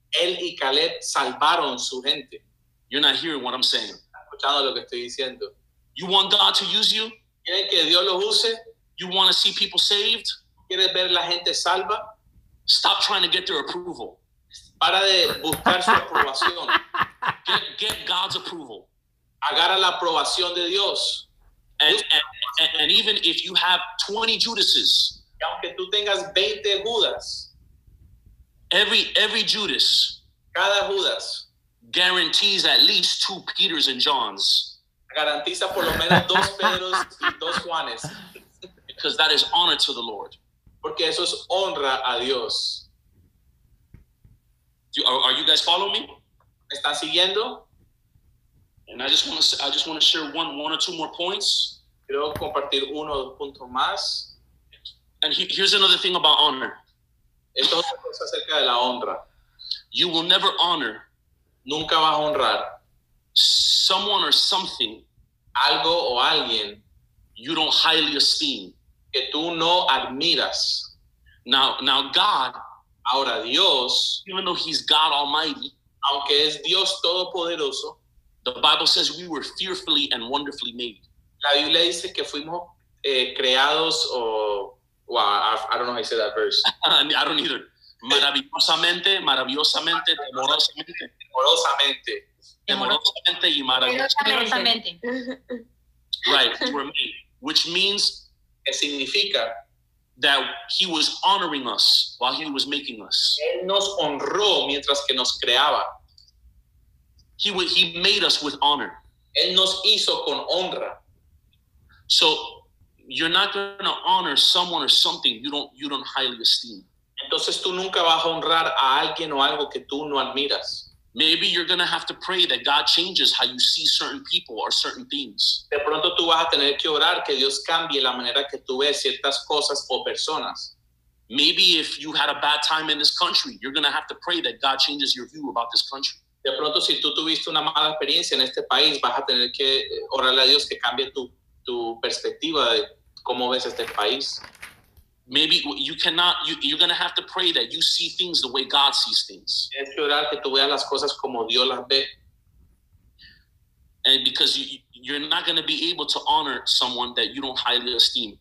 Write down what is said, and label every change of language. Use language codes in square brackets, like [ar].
[es] Él y Caleb salvaron su gente. [en] You're not hearing what I'm saying. [es] Escuchando lo que estoy diciendo. [en] You want God to use you? [es] ¿Quieres que Dios los use? [en] You want to see people saved? [es] ¿Quieres ver la gente salva? [en] Stop trying to get their approval. [es] Para de buscar su aprobación. [en] Get God's approval. [es] Agarra la aprobación de Dios. [en] And even if you have 20 Judases, [es] y aunque tú tengas 20 Judas, [en] every Judas, [es] cada Judas, [en] guarantees at least 2 Peters and Johns. [es] Garantiza por lo menos dos Pedros y dos Juanes. [en] Because that is honor to the Lord. [es] Porque eso es honra a Dios. [en] Are you guys following me? [es] ¿Están siguiendo? [en] And I just want to share one or two more points. [es] Quiero compartir uno o dos puntos más. [en] And here's another thing about honor. [es] Esto es otra cosa acerca de la honra. [en] You will never honor. [es] Nunca vas a honrar. [en] Someone or something, [es] algo o alguien, [en] you don't highly esteem, [es] que tú no admiras. [en] Now God, [es] ahora Dios, [en] even though he's God Almighty, [es] aunque es Dios Todopoderoso, [en] the Bible says we were fearfully and wonderfully made. [es] La Biblia dice que fuimos creados, o, [en] well, I don't know how to say that verse. I don't either. [es] Maravillosamente, maravillosamente, temorosamente. Temorosamente. Temorosamente y maravillosamente. [en] Right, for me. Which means... [es] Que significa... [en] That he was honoring us while he was making us. [es] Él nos honró mientras que nos creaba. [en] He made us with honor. [es] Él nos hizo con honra. [en] So you're not going to honor someone or something you don't highly esteem. [es] Entonces tú nunca vas a honrar a alguien o algo que tú no admiras. [en] Maybe you're going to have to pray that God changes how you see certain people or certain things. [es] De pronto tú vas a tener que orar que Dios cambie la manera que tú ves ciertas cosas o personas. [en] Maybe if you had a bad time in this country, you're going to have to pray that God changes your view about this country. [es] De pronto si tú tuviste una mala experiencia en este país, vas a tener que orarle a Dios que cambie tu perspectiva de cómo ves este país. [en] Maybe you cannot, you're going to have to pray that you see things the way God sees things. [es] Tienes que orar que tú veas las cosas como Dios las ve. [en] And because you're not going to be able to honor someone that you don't highly esteem.